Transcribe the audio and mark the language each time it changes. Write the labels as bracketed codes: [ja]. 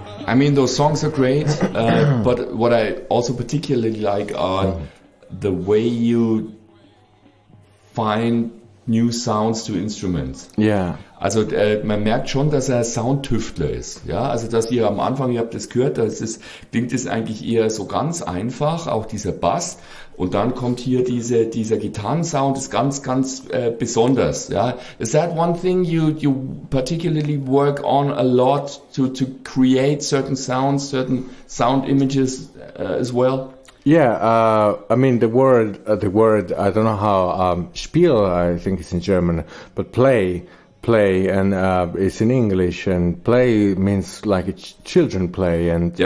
[en] I mean, those songs are great, but what I also particularly like are the way you find new sounds to instruments. [de] Also man merkt schon, dass er Soundtüftler ist. Ja, also dass ihr am Anfang, ihr habt das gehört, das ist, klingt es eigentlich eher so ganz einfach, auch dieser Bass. Und dann kommt hier dieser Gitarrensound, ist ganz, ganz besonders. [en] Ja, is that one thing you particularly work on a lot to create certain sounds, certain sound images as well? Yeah, I mean the word I don't know how Spiel, I think it's in German, but play and it's in English, and play means like children play, and